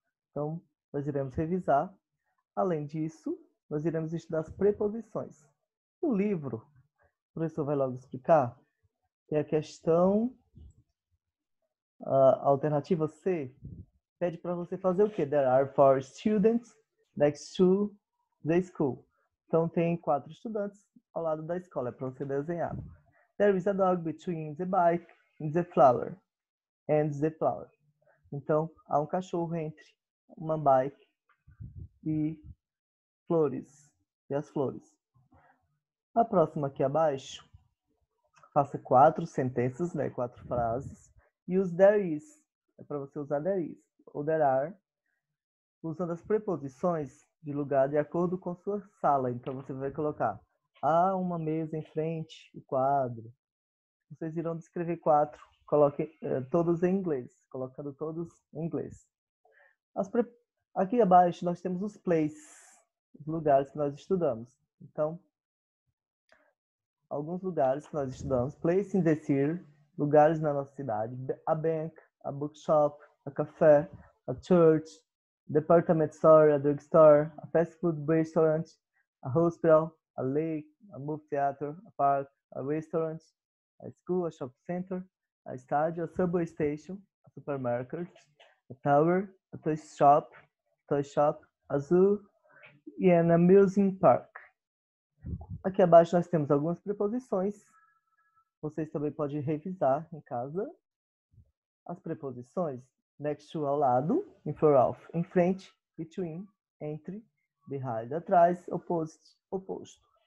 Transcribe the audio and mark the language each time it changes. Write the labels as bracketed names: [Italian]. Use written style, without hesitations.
[Portuguese] Então, nós iremos revisar. Além disso, nós iremos estudar as preposições. O livro, o professor vai logo explicar. Tem a questão, a alternativa C, pede para você fazer o quê? [English] There are four students next to the school. [Portuguese] Então, tem quatro estudantes ao lado da escola, é para você desenhar. [English] There is a dog between the bike and the flower. [Portuguese] Então, há um cachorro entre uma bike e flores, e as flores. A próxima aqui abaixo. Faça quatro sentenças, né? Quatro frases. E use there is. É para você usar there is. Ou there are. Usando as preposições de lugar de acordo com sua sala. Então, você vai colocar. Há uma mesa em frente, o quadro. Vocês irão descrever quatro. Coloque todos em inglês. Colocando todos em inglês. Aqui abaixo, nós temos os places. Os lugares que nós estudamos. Então, alguns lugares que nós estudamos. [English] Place in the city. [Portuguese] Lugares na nossa cidade. [English] A bank, a bookshop, a café, a church, department store, a drugstore, a fast food restaurant, a hospital, a lake, a movie theater, a park, a restaurant, a school, a shop center, a estádio, a subway station, a supermarket, a tower, a toy shop, a zoo, e an amusement park. [Portuguese] Aqui abaixo nós temos algumas preposições. Vocês também podem revisar em casa. As preposições next to, ao lado, in front of, em frente, between, entre, behind, atrás, opposite, oposto.